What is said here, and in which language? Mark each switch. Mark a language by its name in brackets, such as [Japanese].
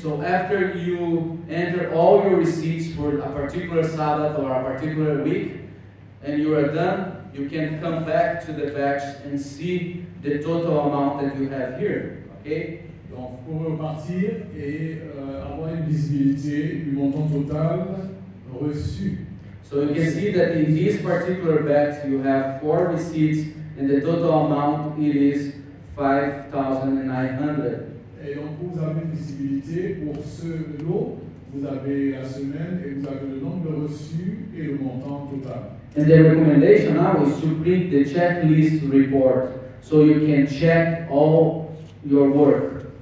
[English] So after you enter all your receipts for a particular Sabbath or a particular week, and you are done, you can come back to the batch and see the total amount that you have here, okay? [French] Donc pour repartir et avoir une visibilité du montant total reçu. [English] So you can see that in this particular batch you have 4 receipts and the total amount it is 5,900. [French] Et donc vous avez une visibilité pour ce lot, vous avez la semaine et vous avez le nombre reçu et le montant total. [English] And the recommendation now is to print the checklist report so you can check all your work.